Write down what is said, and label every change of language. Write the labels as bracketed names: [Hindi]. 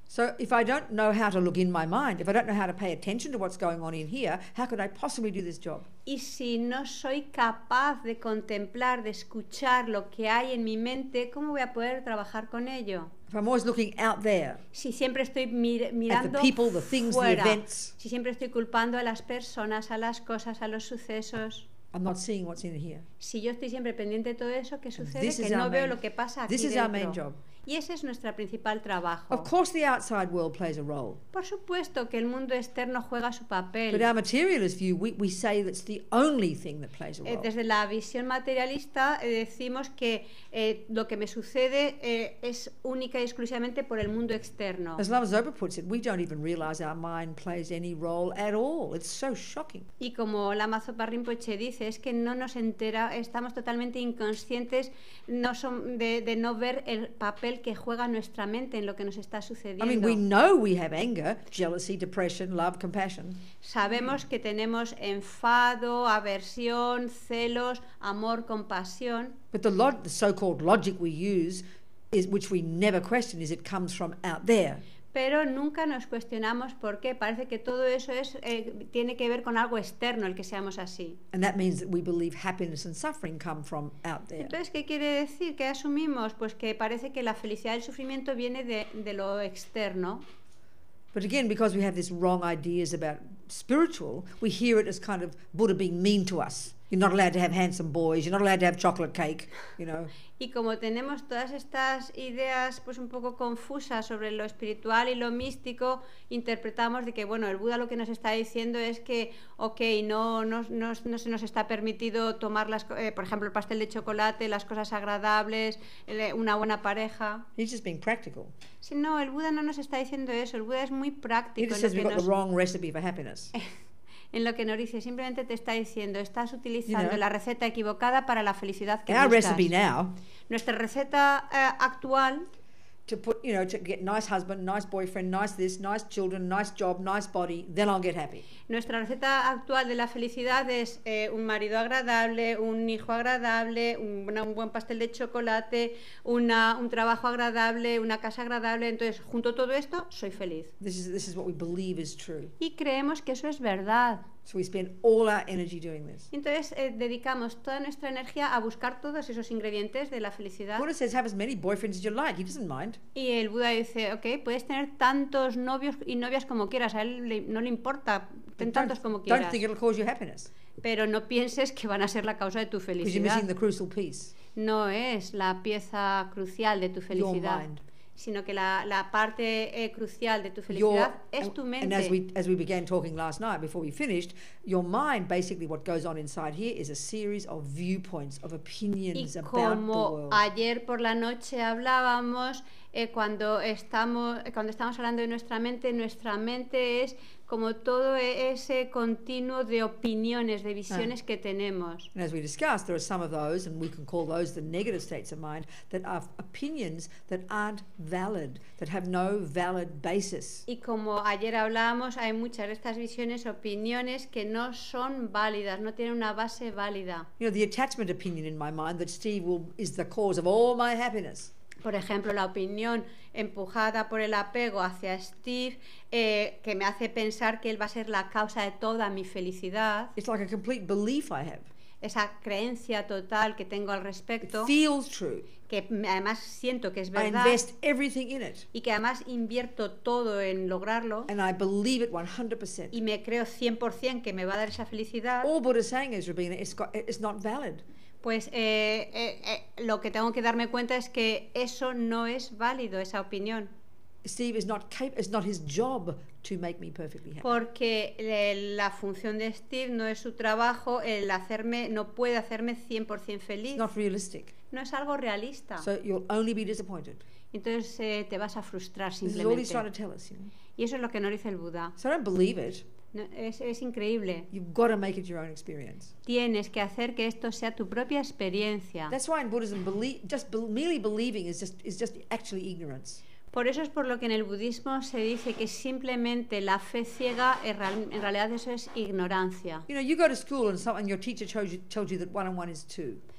[English] So if I don't know how to look in my mind, if I don't know how to pay attention to what's going on in here, how could I possibly do this job? [Spanish] Y si no soy capaz de contemplar, de escuchar lo que hay en mi mente, ¿cómo voy a poder trabajar con ello? [English] If I'm always looking out there. [Spanish] Si siempre estoy mirando [English] at the people, the things, [Spanish] fuera, [English] the events. [Spanish] Si siempre estoy culpando a las personas, a las cosas, a los sucesos. [English] I'm not seeing what's in here. [Spanish] Si yo estoy siempre pendiente de todo eso, ¿qué sucede? Que no veo lo que pasa aquí dentro. [English] This is our main job. [Spanish] Y ese es nuestro principal trabajo. [English] Of course the outside world plays a role. [Spanish] Por supuesto que el mundo externo juega su papel. [English] But our materialist view, we say that's the only thing that plays a role. [Spanish] Desde la visión materialista decimos que lo que me sucede es única y exclusivamente por el mundo externo. [English] As Lama Zopa puts it, we don't even realize our mind plays any role at all. It's so shocking. [Spanish] Y como Lama Zopa Rinpoche dice, es que no nos entera, estamos totalmente inconscientes, no son de no ver el papel que juega nuestra mente en lo que nos está sucediendo. [English] I mean, we know we have anger, jealousy, depression, love, compassion. [Spanish] Sabemos que tenemos enfado, aversión, celos, amor, compasión. [English] But the so-called logic we use is, which we never question, is it comes from out there. [Spanish] Pero nunca nos cuestionamos por qué. Parece que todo eso es tiene que ver con algo externo, el que seamos así. [English] And that means that we believe happiness and suffering come from out there. [Spanish] Entonces, ¿qué quiere decir? ¿Qué asumimos? Pues que parece que la felicidad y el sufrimiento viene de lo externo. [English] But again, because we have these wrong ideas about spiritual, we hear it as kind of Buddha being mean to us. You're not allowed to have handsome boys, you're not allowed to have chocolate cake, you know. [Spanish] Y como tenemos todas estas ideas pues un poco confusas sobre lo espiritual y lo místico, interpretamos de que bueno, el Buda lo que nos está diciendo es que okay, no se nos está permitido tomar las por ejemplo, el pastel de chocolate, las cosas agradables, una buena pareja. [English] He's just being practical. [Spanish] Sí, no, el Buda no nos está diciendo eso, el Buda es muy práctico. [English] He just says we've got the wrong recipe for happiness. [Spanish] En lo que nos dice, simplemente te está diciendo, estás utilizando, [English] you know, [Spanish] la receta equivocada para la felicidad que [English] our [Spanish] buscas. [English] Recipe now, [Spanish] nuestra receta actual. [English] To put, you know, to get nice husband, nice boyfriend, nice this, nice children, nice job, nice body, then I'll get happy. [Spanish] Nuestra receta actual de la felicidad es un marido agradable, un hijo agradable, un buen pastel de chocolate, un trabajo agradable, una casa agradable. Entonces, junto a todo esto, soy feliz. [English] This is what we believe is true. [Spanish] Y creemos que eso es verdad. [English] So we spend all our energy doing this. [Spanish] Entonces dedicamos toda nuestra energía a buscar todos esos ingredientes de la felicidad. [English] Buddha says have as many boyfriends as you like. He doesn't mind. [Spanish] Y el Buda dice, okay, puedes tener tantos novios y novias como quieras. A él no le importa. Ten tantos como quieras. [English] Don't think it'll cause you happiness. [Spanish] Pero no pienses que van a ser la causa de tu felicidad. [English] Because you're missing the crucial piece. [Spanish] No es la pieza crucial de tu felicidad. [English] Your mind. [Spanish] Sino que la parte crucial de tu felicidad es tu mente. [English] And as we began talking last night, before we finished, your mind, basically what goes on inside here is a series of viewpoints, of opinions about the world. [Spanish] Y como ayer por la noche hablábamos, cuando estamos hablando de nuestra mente es como todo ese continuo de opiniones, de visiones que tenemos. [English] And as we discussed, there are some of those, and we can call those the negative states of mind, that are opinions that aren't valid, that have no valid basis. [Spanish] Y como ayer hablábamos, hay muchas de estas visiones, opiniones que no son válidas, no tienen una base válida. [English] You know, the attachment opinion in my mind that Steve is the cause of all my happiness. [Spanish] Por ejemplo, la opinión empujada por el apego hacia Steve, que me hace pensar que él va a ser la causa de toda mi felicidad. [English] It's like a complete belief I have. [Spanish] Esa creencia total que tengo al respecto. [English] It feels true. [Spanish] Que además siento que es verdad. [English] I invest everything in it. [Spanish] Y que además invierto todo en lograrlo. [English] And I believe it 100%. [Spanish] Y me creo 100% que me va a dar esa felicidad. [English] All Buddha's saying is, Rabina, it's not valid. [Spanish] Pues lo que tengo que darme cuenta es que eso no es válido, esa opinión. [English] Steve is not capable, it's not his job to make me perfectly happy. [Spanish] Porque la función de Steve no es su trabajo, el hacerme, no puede hacerme 100% feliz. [English] It's not realistic. [Spanish] No es algo realista. [English] So you'll only be disappointed. [Spanish] Entonces te vas a frustrar simplemente. [English] This is all he's trying to tell us, you know? [Spanish] Y eso es lo que nos dice el Buda. [English] So I don't believe it. [Spanish] No, es increíble. [English] You've got to make it your own experience. [Spanish] Tienes que hacer que esto sea tu propia experiencia. [English] That's why in Buddhism merely believing is just actually ignorance. [Spanish] Por eso es por lo que en el budismo se dice que simplemente la fe ciega en realidad eso es ignorancia. [English] You know, you go to school and your teacher tells you that one and one is two.